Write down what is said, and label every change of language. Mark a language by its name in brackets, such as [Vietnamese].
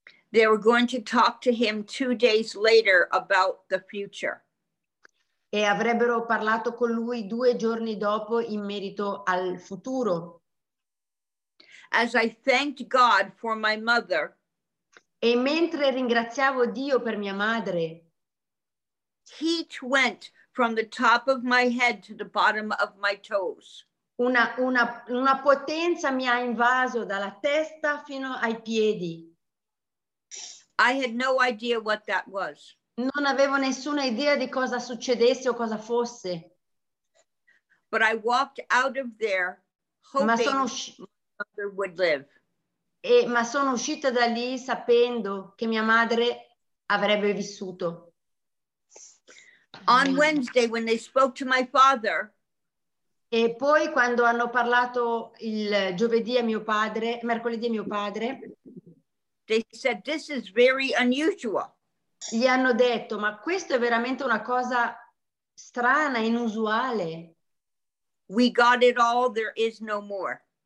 [English] They were going to talk to him 2 days later about the future. [Italian] E avrebbero parlato con lui 2 giorni dopo in merito al futuro. [English] As I thanked God for my mother, [Italian] E mentre ringraziavo Dio per mia madre, [English] heat went from the top of my head to the bottom of my toes. [Italian] Una potenza mi ha invaso dalla testa fino ai piedi. [English] I had no idea what that was. [Italian] Non avevo nessuna idea di cosa succedesse o cosa fosse. [English] But I walked out of there hoping my mother would live. [Italian] Ma sono uscita da lì sapendo che mia madre avrebbe vissuto. [English] On Wednesday, when they spoke to my father, [Italian] e poi quando hanno parlato il giovedì a mio padre, mercoledì a mio padre, [English] they said, "This is very unusual." [Italian] Gli hanno detto, ma questo è veramente una cosa strana, inusuale. [English] We got it all, there is no more.